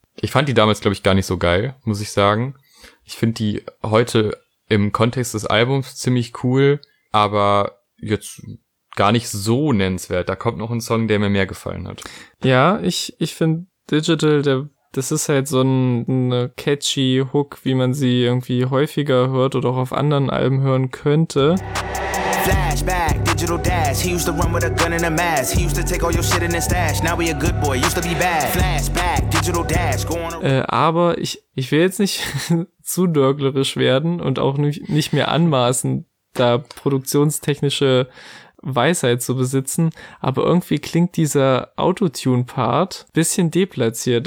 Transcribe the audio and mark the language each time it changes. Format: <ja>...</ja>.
<de>Ich fand die damals, glaube ich, gar nicht so geil, muss ich sagen. Ich finde die heute im Kontext des Albums ziemlich cool, aber jetzt gar nicht so nennenswert. Da kommt noch ein Song, der mir mehr gefallen hat. Ja, ich finde Digital, der das ist halt so eine catchy Hook, wie man sie irgendwie häufiger hört oder auch auf anderen Alben hören könnte.</de> <en>Flashback, digital dash. He used to run with a gun and a mask. He used to take all your shit in his stash. Now we a good boy. Used to be bad. Flashback, digital dash.</en> <de>Aber ich will jetzt nicht zu dörglerisch werden und auch nicht mehr anmaßen, da produktionstechnische Weisheit zu besitzen. Aber irgendwie klingt dieser Autotune-Part bisschen deplatziert.</de>